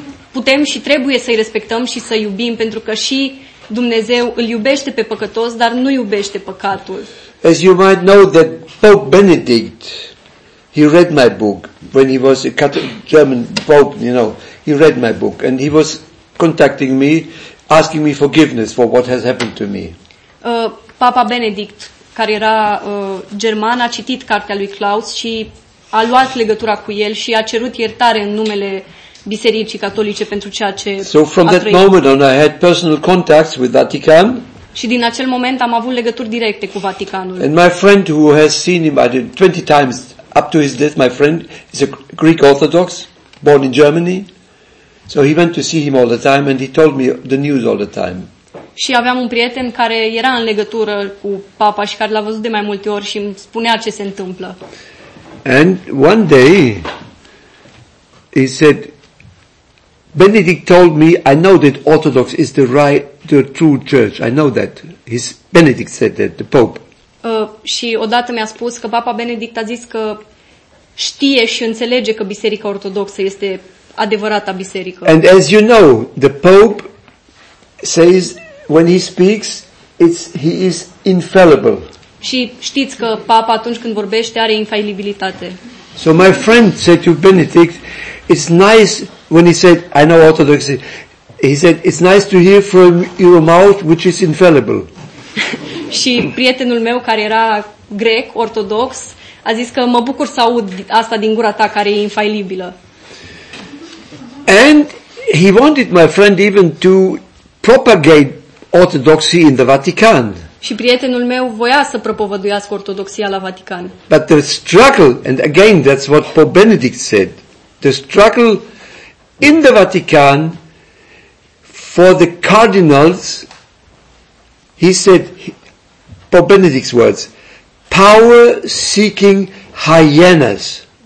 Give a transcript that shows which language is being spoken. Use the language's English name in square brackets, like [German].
[Romanian] Putem și trebuie să-i respectăm și să iubim, pentru că și Dumnezeu îl iubește pe păcătos, dar nu iubește păcatul. [English] As you might know that Pope Benedict, He read my book when he was a Catholic, German Pope, you know. He read my book and he was contacting me, asking me forgiveness for what has happened to me. [Romanian] Papa Benedict, care era german, a citit cartea lui Klaus și a luat legătura cu el și a cerut iertare în numele Bisericii Catolice pentru ceea ce a trăit. [English] So from that moment on I had personal contacts with Vatican. [Romanian] Și din acel moment am avut legături directe cu Vaticanul. [English] And my friend who has seen him 20 times up to his death, my friend is a Greek Orthodox, born in Germany. So he went to see him all the time and he told me the news all the time. [Romanian] Și aveam un prieten care era în legătură cu Papa și care l-a văzut de mai multe ori și îmi spunea ce se întâmplă. [English] And one day he said, Benedict told me, I know that Orthodox is the right, the true church. I know that. His Benedict said that, the Pope. [Romanian] Și odată mi-a spus că Papa Benedict a zis că știe și înțelege că Biserica Ortodoxă este adevărata biserică. [English] And as you know, the Pope says when he speaks, he is infallible. [Romanian] Și știți că Papa atunci când vorbește are infailibilitate. [English] So my friend said to Benedict, it's nice when he said, I know Orthodoxy. He said, it's nice to hear from your mouth which is infallible. [Romanian] Și prietenul meu care era grec, ortodox, a zis că mă bucur să aud asta din gura ta care e infailibilă. [English] And he wanted my friend even to propagate Orthodoxy in the Vatican. [Romanian] Și prietenul meu voia să propovăduiască ortodoxia la Vatican. [English] But the struggle, and again that's what Pope Benedict said, the struggle in the Vatican for the cardinals, he said, Pope Benedict's words, power-seeking hyenas.